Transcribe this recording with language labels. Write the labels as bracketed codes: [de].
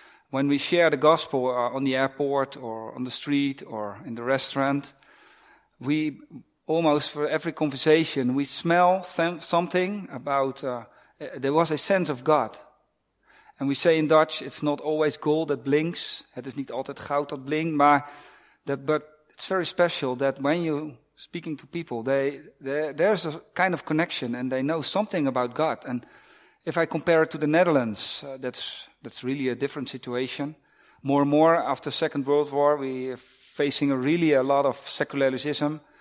[en] When we share the gospel on the airport or on the street or in the restaurant, we almost for every conversation we smell something about. There was a sense of God. And we say in Dutch, it's not always gold that blinks. [nl] Het is niet altijd goud dat blinkt. [en] But it's very special that when you speaking to people, there's a kind of connection and they know something about God. And if I compare it to the Netherlands, that's really a different situation. More and more after Second World War, we are facing a lot of secularism.